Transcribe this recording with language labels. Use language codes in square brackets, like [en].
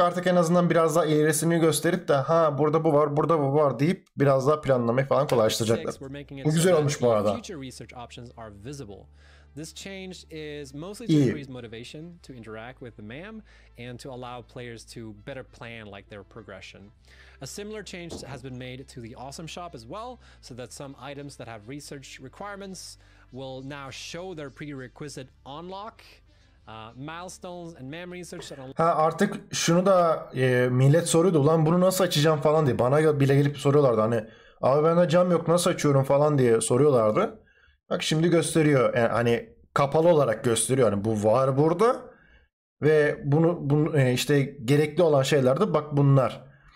[tr] Artık en azından biraz daha ilerisini gösterip de ha, burada bu var, burada bu var deyip biraz daha planlamayı falan kolaylaştıracaklar. Bu güzel olmuş bu arada. [en] Future research options are visible. This change is mostly to increase motivation to interact with the MAM and to allow players to better plan like their progression. A similar change has been made to the awesome shop as well, so that some items that have research requirements will now show their prerequisite unlock milestones and MAM research. [tr] Ha, artık şunu da millet soruyordu, ulan bunu nasıl açacağım falan diye. Bana bile gelip soruyorlardı, hani abi bende cam yok, nasıl açıyorum falan diye soruyorlardı. Bak şimdi gösteriyor. Yani hani kapalı olarak gösteriyor. Hani bu var burada. Ve bunu işte gerekli olan şeyler de bak bunlar.